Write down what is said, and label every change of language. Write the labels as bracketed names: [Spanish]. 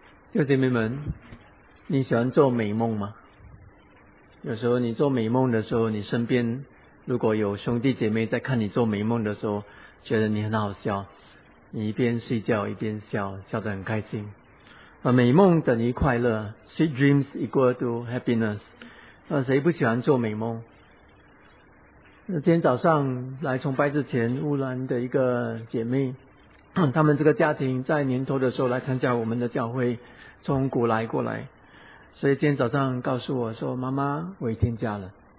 [Chinese] 弟兄姐妹们，你喜欢做美梦吗？有时候你做美梦的时候，你身边如果有兄弟姐妹在看你做美梦的时候，觉得你很好笑，你一边睡觉一边笑，笑得很开心。美梦等于快乐 [English] ，sweet dreams equal to happiness。 [Chinese] 谁不喜欢做美梦？今天早上来崇拜之前，乌兰的一个姐妹，他们这个家庭在年头的时候来参加我们的教会，从古来过来，所以今天早上告诉我说，妈妈，我已经嫁了。